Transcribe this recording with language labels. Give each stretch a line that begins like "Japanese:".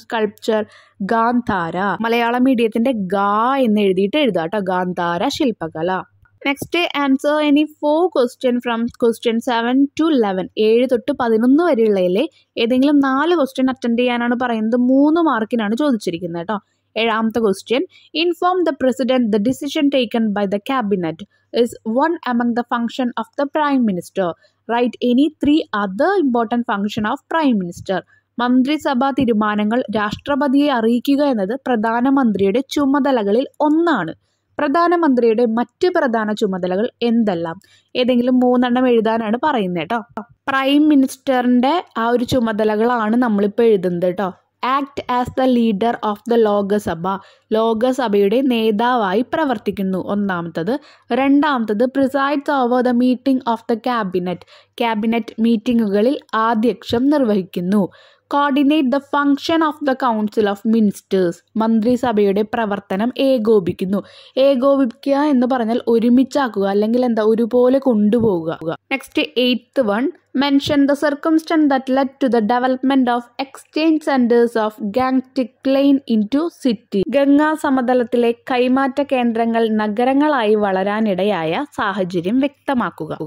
Malayalam: Sculpture, Gandhara. മലയാള മീഡിയത്തിന്റെ ഗാ എന്ന് എഴുതിയിട്ട് എഴുതുക കേട്ടോ, Gandhara ശില്പകല.
English: Next answer any four question from question 7 to 11.
Malayalam: 7 to 11 വരെയുള്ളതിലെ ഏതെങ്കിലും 4 ക്വസ്റ്റ്യൻ അറ്റൻഡ് ചെയ്യാനാണ് പറയുന്നത്. 3 മാർക്കിനാണ് ചോദിച്ചിരിക്കുന്നത് കേട്ടോ.
English: 7th question, inform the president the decision taken by the cabinet is one among the function of the prime minister. Write any 3 other important function of prime minister.
Malayalam: മന്ത്രിസഭാ തീരുമാനങ്ങൾ രാഷ്ട്രപതിയെ അറിയിക്കുക എന്നത് പ്രധാനമന്ത്രിയുടെ ചുമതലകളിൽ ഒന്നാണ്. പ്രധാനമന്ത്രിയുടെ മറ്റ് പ്രധാന ചുമതലകൾ എന്തെല്ലാം? ഏതെങ്കിലും 3 എഴുതാനാണ് പറയുന്നത് കേട്ടോ. പ്രൈം മിനിസ്റ്ററിന്റെ ആ ഒരു ചുമതലകളാണ് നമ്മളിപ്പോൾ എഴുതുന്നത് കേട്ടോ.
English: Act as the leader of the Lok Sabha,
Malayalam: ലോകസഭയുടെ നേതാവായി പ്രവർത്തിക്കുന്നു ഒന്നാമത്തത്. രണ്ടാമത്തത്
English: presides over the meeting of the cabinet,
Malayalam: cabinet മീറ്റിംഗുകളിൽ ആധ്യക്ഷം നിർവഹിക്കുന്നു.
English: coordinate the function of the council of ministers,
Malayalam: മന്ത്രിസഭയുടെ പ്രവർത്തനം ഏകോപിക്കുന്നു. ഏകോപിക്കുക എന്ന് പറഞ്ഞാൽ ഒരുമിച്ചാക്കുക, അല്ലെങ്കിൽ എന്താ ഒരുപോലെ കൊണ്ടുപോകുക.
English: next 8th mention the circumstances that led to the development of exchange centres of Gangetic plain into city,
Malayalam: Ganga സമതലത്തിലെ കൈമാറ്റ കേന്ദ്രങ്ങൾ നഗരങ്ങളായി വളരാനിടയായ സാഹചര്യം വ്യക്തമാക്കുക.